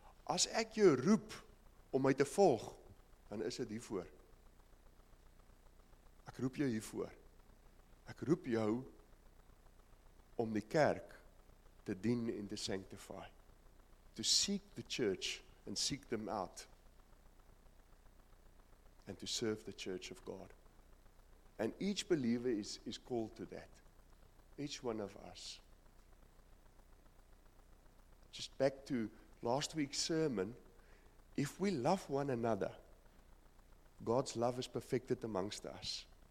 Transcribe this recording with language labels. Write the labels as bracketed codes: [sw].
[af] As ek jou roep om my te volg, dan is het hiervoor. Ek roep jou hiervoor. Ek roep jou om die kerk te dien en te sanctify. [en] To seek the church and seek them out. And to serve the church of God. And each believer is called to that. Each one of us. Just back to last week's sermon. If we love one another, God's love is perfected amongst us.